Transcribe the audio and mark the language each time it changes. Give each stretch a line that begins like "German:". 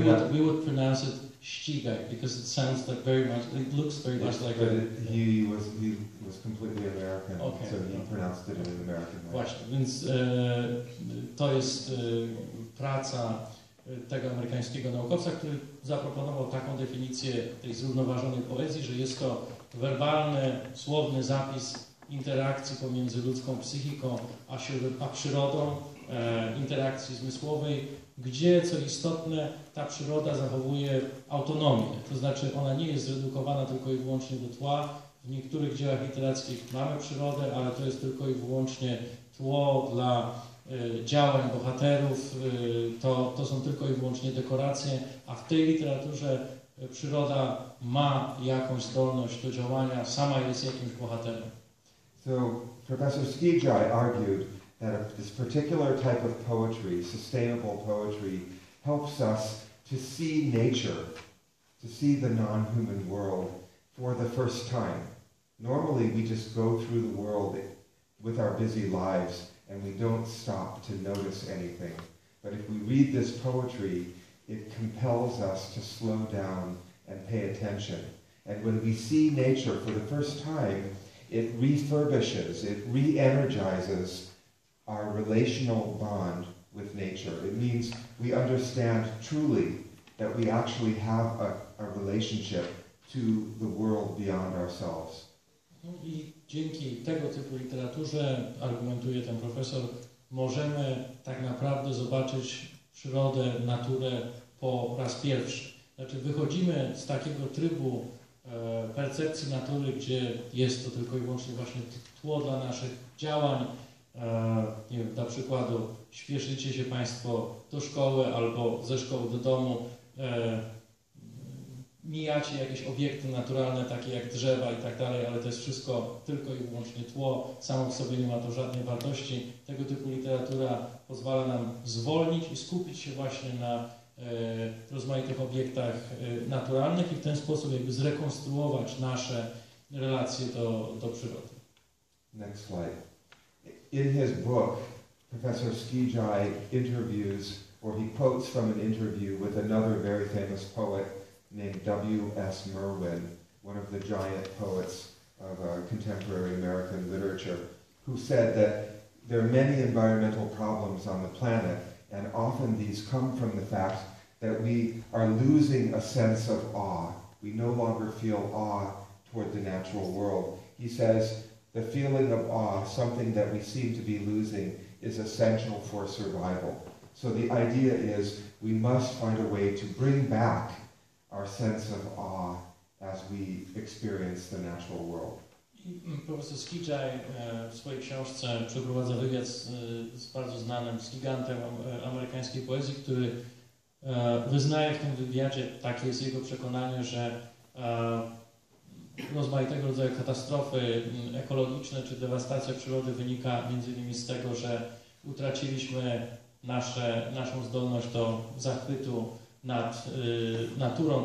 English: We would pronounce it Ścigaj, because it sounds like very much, it looks very much like but it, he was completely American, okay, so he pronounced it in an American way.
Polish: Właśnie, więc to jest praca tego amerykańskiego naukowca, który zaproponował taką definicję tej zrównoważonej poezji, że jest to werbalny, słowny zapis interakcji pomiędzy ludzką psychiką a przyrodą, interakcji zmysłowej, gdzie, co istotne, ta przyroda zachowuje autonomię. To znaczy, ona nie jest zredukowana tylko i wyłącznie do tła. W niektórych dziełach literackich mamy przyrodę, ale to jest tylko i wyłącznie tło dla działań bohaterów. To są tylko i wyłącznie dekoracje, a w tej literaturze przyroda ma jakąś zdolność do działania, sama jest jakimś bohaterem.
English: So, Professor Skijaj argued that this particular type of poetry, sustainable poetry, helps us to see nature, to see the non-human world for the first time. Normally, we just go through the world with our busy lives and we don't stop to notice anything. But if we read this poetry, it compels us to slow down and pay attention. And when we see nature for the first time, it refurbishes, it re-energizes our relational bond with nature. It means we understand truly that we actually have a relationship to the world beyond ourselves.
Polish: No i dzięki tego typu literaturze, argumentuje ten profesor, możemy tak naprawdę zobaczyć przyrodę, naturę po raz pierwszy. Znaczy wychodzimy z takiego trybu percepcji natury, gdzie jest to tylko i wyłącznie właśnie tło dla naszych działań. Nie wiem, dla przykładu, śpieszycie się Państwo do szkoły albo ze szkoły do domu, mijacie jakieś obiekty naturalne, takie jak drzewa i tak dalej, ale to jest wszystko tylko i wyłącznie tło, samo w sobie nie ma to żadnej wartości. Tego typu literatura pozwala nam zwolnić i skupić się właśnie na rozmaitych obiektach naturalnych i w ten sposób jakby zrekonstruować nasze relacje do przyrody.
English: Next slide. In his book, Professor Skijaj interviews, or he quotes from an interview with another very famous poet named W.S. Merwin, one of the giant poets of contemporary American literature, who said that there are many environmental problems on the planet, and often these come from the fact that we are losing a sense of awe. We no longer feel awe toward the natural world. He says, the feeling of awe, something that we seem to be losing, is essential for survival. So the idea is we must find a way to bring back our sense of awe as we experience the natural world.
Polish: Profesor Skijaj w swojej książce przeprowadza wywiad z bardzo znanym, z gigantem amerykańskiej poezji, który wyznaje w tym wywiadzie, takie jest jego przekonanie, że rozmaitego rodzaju katastrofy ekologiczne czy dewastacja przyrody wynika między innymi z tego, że utraciliśmy naszą zdolność do zachwytu nad naturą.